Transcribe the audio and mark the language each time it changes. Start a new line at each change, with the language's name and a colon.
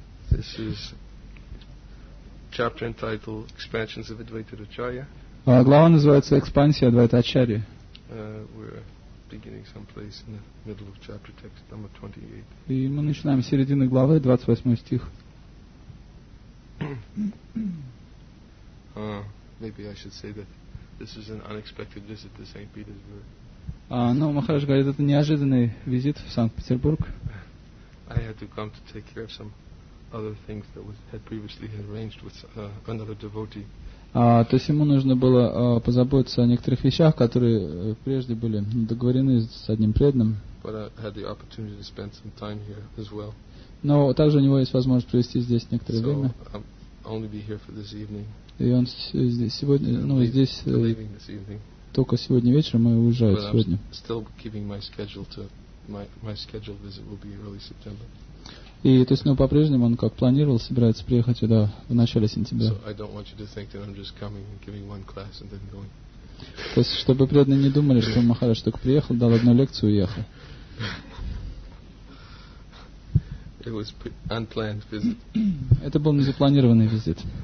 English: This is chapter entitled Expansions of Advaita Acharya.
Russian: Глава называется Экспансия Адвайта Ачарьи.
English: We're beginning someplace in the middle of chapter text number 28.
Russian: И мы начинаем с середины главы, 28 стих.
English: Maybe I should say that this is an unexpected visit to St. Petersburg.
Russian: Но Махарадж говорит, это неожиданный визит в Санкт-Петербург.
English: I had to come to take care of some other things that was had previously arranged with another devotee.
Russian: То есть ему нужно было позаботиться о некоторых вещах, которые прежде были договорены с одним преданным.
English: But I had the opportunity to spend some time here as well.
Russian: Но также у него есть возможность провести здесь некоторое время.
English: So I'll only be here for this evening.
Russian: И он здесь сегодня, ну, здесь только сегодня вечером, и уезжает сегодня.
English: Still keeping my schedule to my scheduled visit will be early September.
Russian: И то есть, ну, по-прежнему он как планировал, собирается приехать сюда в начале сентября.
English: So I don't want you to think that I'm just coming and giving one class and then going.
Russian: То есть, чтобы преданные не думали, что Махарадж только приехал, дал одну лекцию и уехал.
English: It was unplanned visit.
Russian: Это был незапланированный визит.